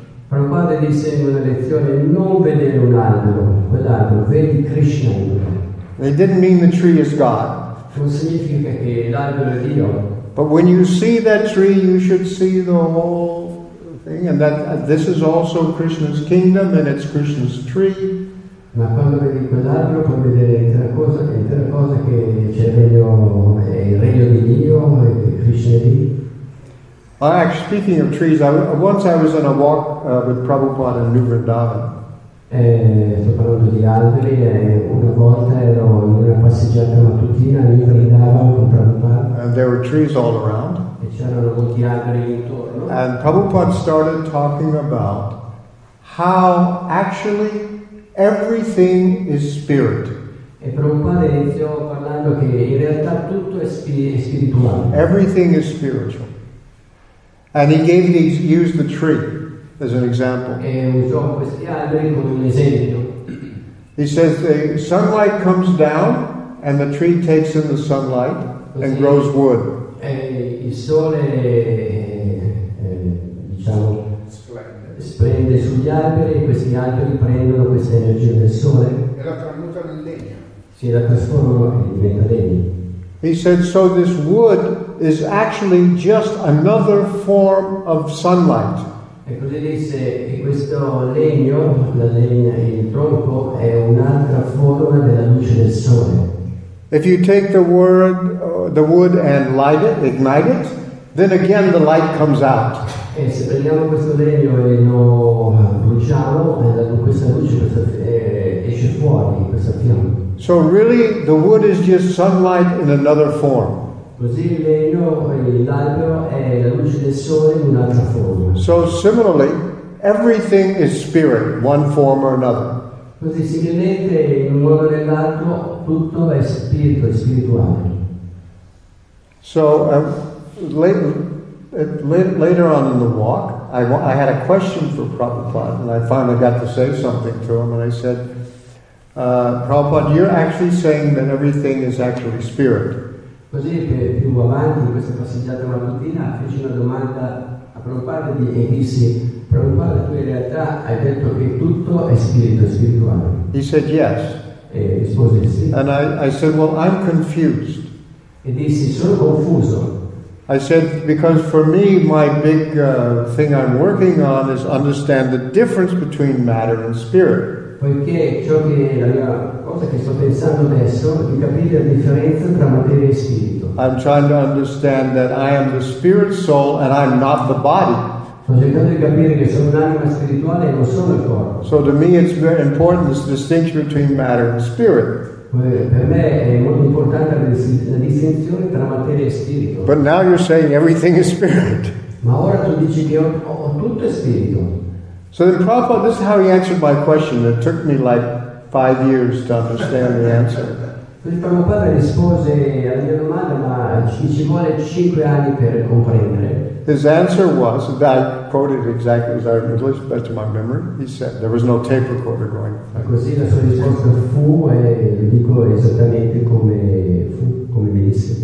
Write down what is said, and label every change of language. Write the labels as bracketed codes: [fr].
[it] Prabhupada disse in una lezione, "Non vedere un albero, quell'albero, vedi Krishna in lui." [en] It didn't mean the tree is God. [it] Non significa che l'albero è Dio. [en] But when you see that tree, you should see the whole thing, and that this is also Krishna's kingdom, and it's Krishna's tree. [it] Ma quando vedi quell'albero, puoi vedere intera cosa che c'è meglio, è il regno di Dio e di Krishna lì. [en] Actually, speaking of trees, I was on a walk with Prabhupada in New Vrindavan. [it] Sto parlando di alberi, una volta ero in una passeggiata mattutina, lì andavo con Prabhupada. [en] And there were trees all around. [it] E c'erano molti alberi intorno. [en] And Prabhupada started talking about how actually everything is spirit. [it] E Prabhupada iniziò parlando che in realtà tutto è spirituale. [en] Everything is spiritual. And he gave these, used the tree as an example. [it] E usò questi alberi come un esempio. [en] He says the sunlight comes down and the tree takes in the sunlight and grows wood. [it] E il sole splende sugli alberi e questi alberi prendono questa energia del sole. E la trasmutano in legno. Si la trasformano e diventa legno. [en] He said, so this wood is actually just another form of sunlight. [it] E così disse che questo legno, la legna e il tronco, è un'altra forma della luce del sole. [en] If you take the wood and light it, ignite it, then again the light comes out. [it] E se prendiamo questo legno e lo bruciamo, questa luce esce fuori, questa fiamma. [en] So really the wood is just sunlight in another form. [it] Così il legno e l'albero è la luce del sole in un'altra forma. [en] So similarly, everything is spirit, one form or another. [it] Così similmente, in un modo o nell'altro, tutto è spirito, è spirituale. [en] So later on in the walk, I had a question for Prabhupada, and I finally got to say something to him, and I said, Prabhupada, you're actually saying that everything is actually spirit. [it] Così più avanti in questa passeggiata una mattina feci una domanda a Prabhupada e dissi: Prabhupada, tu in realtà hai detto che tutto è spirito, è spirituale. [en] He said yes. [it] E rispose sì. [en] And I said, well, I'm confused. [it] E dissi, sono confuso. [en] I said, because for me my big thing I'm working on is understand the difference between matter and spirit. [it] Poiché ciò che è la mia cosa che sto pensando adesso di capire la differenza tra materia e spirito. [en] I'm trying to understand that I am the spirit soul and I'm not the body. [it] Sto Sto cercando di capire che sono un'anima spirituale e non sono il corpo. [en] So to me it's very important this distinction between matter and spirit. [it] Per me è molto importante la distinzione tra materia e spirito. [en] But now you're saying everything is spirit. [it] Ma ora tu dici che ho tutto è spirito. [en] So then Prabhupada, this is how he answered my question. It took me like 5 years to understand the answer. [it] Il Prabhupada rispose alla mia domanda, ma ci vuole 5 anni per comprendere. [en] His answer was, that I quoted exactly as I remember, at least to my memory, he said, there was no tape recorder going. [it] Così la sua risposta fu, e lo dico esattamente come fu, come mi disse.